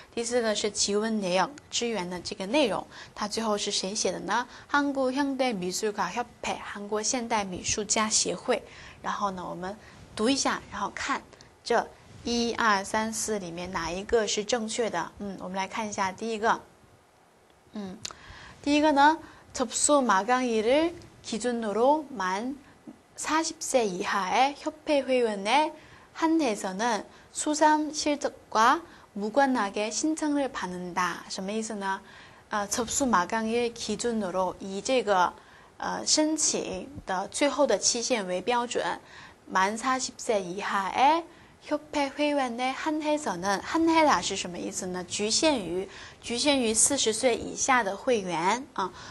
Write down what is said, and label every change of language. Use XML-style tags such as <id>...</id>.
<zh>第四个是</zh> <ko>지원내역，</ko> <zh>支援的这个内容。它最后是谁写的呢？</zh> <ko>한국현대미술가협회，</ko> <zh>韩国现代美术家协会。然后呢，我们读一下，然后看这一二三四里面哪一个是正确的。我们来看一下第一个。第一个呢，</zh> <ko>접수마감일을기준으로만40세이하의협회회원에한해서는 수상 실적과 무관하게 신청을 받는다.</ko> <zh>什么意思呢？</zh> <ko>접수마감일기준으로，</ko> <zh>以这个申请的最后的期限为标准，</zh> <ko>만40세이하의협회회원에한해서는，한해라</ko> <zh>是什么意思呢？局限于40岁以下的会员啊。</zh>